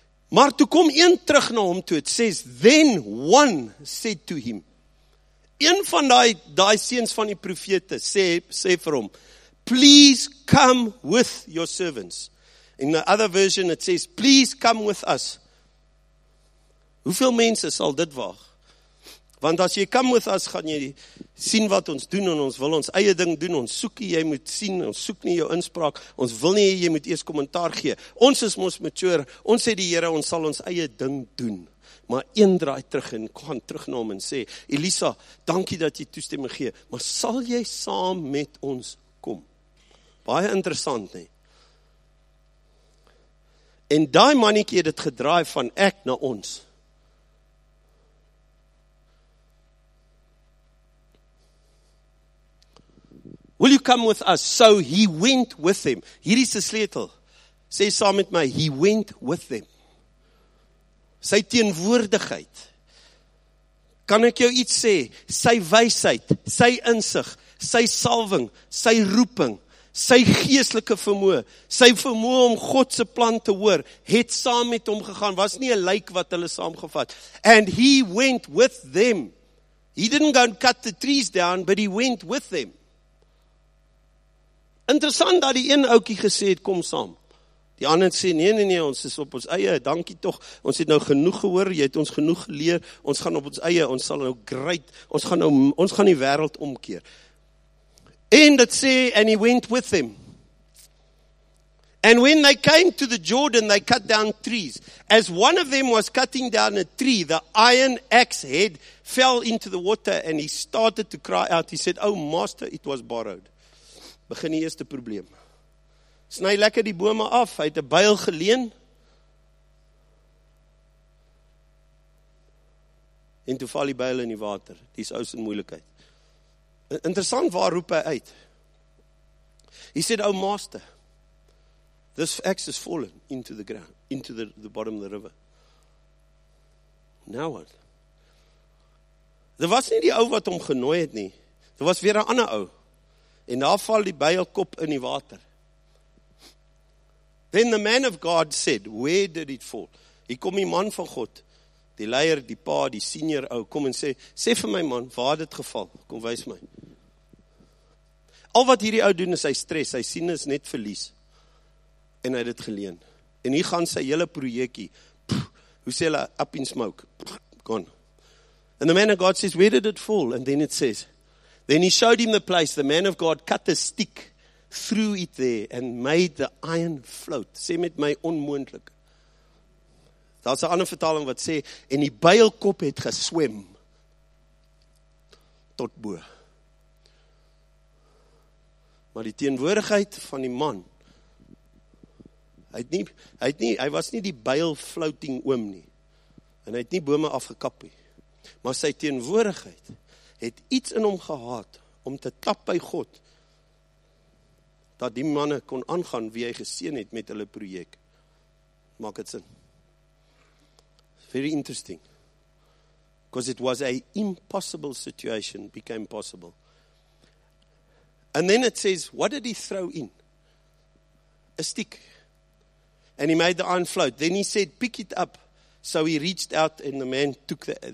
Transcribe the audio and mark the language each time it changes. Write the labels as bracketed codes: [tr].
[af] Maar toe kom een terug na hom toe, [en] it says, then one said to him, [af] een van die seuns van die profete sê vir hom, [en] please come with your servants. In the other version it says, please come with us. [af] Hoeveel mense sal dit waag? Want as jy [en] come with us, [af] gaan jy sien wat ons doen en ons wil ons eie ding doen, ons soek nie, jy moet sien, ons soek nie jou inspraak, ons wil nie, jy moet eers kommentaar gee. Ons is mos mature, ons sê die Here, ons sal ons eie ding doen. Maar een draai terug en gaan terug na hom en sê, Elisa, dankie dat jy toestemming gee, maar sal jy saam met ons kom? Baie interessant, nie? En die mannetjie het gedraai van ek na ons. [en] Will you come with us? So he went with them. [af] Hier is die sleutel. Sê saam met my, [en] he went with them. [af] Sy teenwoordigheid. Kan ek jou iets sê? Sy wysheid, sy insig, sy salwing, sy roeping, sy geestelike vermoë, sy vermoë om God se plan te hoor, het saam met hom gegaan, was nie 'n lijk wat hulle saamgevat. [en] And he went with them. He didn't go and cut the trees down, but he went with them. [af] Interessant dat die een ouetjie gesê het, kom saam. Die ander sê, nee, ons is op ons eie, dankie toch, ons het nou genoeg gehoor, jy het ons genoeg geleer, ons gaan op ons eie, ons sal nou great, ons gaan die wêreld omkeer. En dit sê, [en] and he went with them. And when they came to the Jordan, they cut down trees. As one of them was cutting down a tree, the iron axe head fell into the water and he started to cry out. He said, oh master, it was borrowed. [af] Begin die eerste probleem. Sny lekker die bome af, hy het 'n byl geleen. En toe val die byl in die water, die is ous in moeilikheid. Interessant waar roep hy uit. [en] He said, oh master, this axe has fallen into the ground, into the bottom of the river. Now what? [af] Daar was nie die ou wat hom genooi het nie, daar was weer 'n ander ou. En daar val die byl kop in die water. [en] Then the man of God said, where did it fall? [af] Hier kom die man van God, die leier, die pa, die senior ou, kom en sê vir my man, waar het dit geval? Kom, wys my. Al wat hierdie ou doen is hy stres, hy sien is net verlies. En hy het dit geleen. En hier gaan sy hele projekkie, hoe sê hulle, [en] up in smoke, gone. And the man of God says, where did it fall? And then it says, then he showed him the place, the man of God cut a stick, threw it there and made the iron float. [af] Sê met my onmoontlik. Daar is 'n ander vertaling wat sê, en die bylkop het geswem tot bo. Maar die teenwoordigheid van die man, hy was nie die byl floating oom nie, en hy het nie bome afgekap nie, maar sy teenwoordigheid het iets in hom gehad om te tap by God, dat die manne kon aangaan wie hy geseën het met hulle projek. Maak dit sin? [en] Very interesting. Because it was an impossible situation became possible. And then it says, what did he throw in? A stick. And he made the iron float. Then he said, pick it up. So he reached out and the man took that.